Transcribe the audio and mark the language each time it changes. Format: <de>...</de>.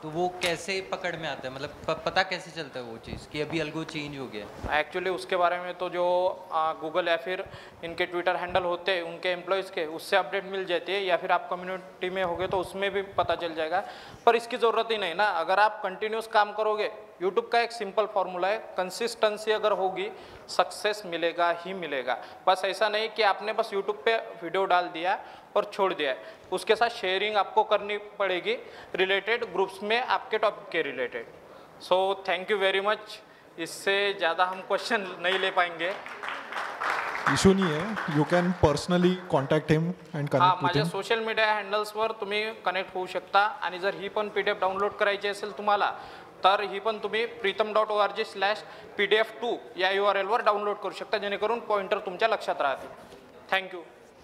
<hi>तो वो कैसे पकड़ में आता है, मतलब पता कैसे चलता है वो चीज़ कि अभी अल्गो चेंज हो गया? एक्चुअली उसके बारे में तो जो गूगल या फिर इनके ट्विटर हैंडल होते हैं उनके एम्प्लॉयज़ के, उससे अपडेट मिल जाती है, या फिर आप कम्युनिटी में हो गए तो उसमें भी पता चल जाएगा. पर इसकी ज़रूरत ही नहीं ना, अगर आप कंटिन्यूस काम करोगे. YouTube का एक सिंपल फार्मूला है, कंसिस्टेंसी अगर होगी सक्सेस मिलेगा ही मिलेगा. बस ऐसा नहीं कि आपने बस YouTube पे वीडियो डाल दिया और छोड़ दिया, उसके साथ शेयरिंग आपको करनी पड़ेगी रिलेटेड ग्रुप्स में आपके टॉपिक के related.</hi> <en>So thank you very much.</en> <hi>इससे ज़्यादा हम क्वेश्चन नहीं ले पाएंगे. इशू नहीं है,</hi> <en>You can personally contact him and connect.</en> <mr>हाँ, माझ्या सोशल मीडिया हँडल्सवर तुम्ही कनेक्ट होऊ शकता. आणि जर ही पण PDF डाउनलोड करायची असेल तुम्हाला, तर ही पण तुम्ही preetam.org/pdf2 या URL वर डाउनलोड करू शकता, जेणेकरून पॉइंटर तुमच्या लक्षात राहतील. थँक्यू.</mr>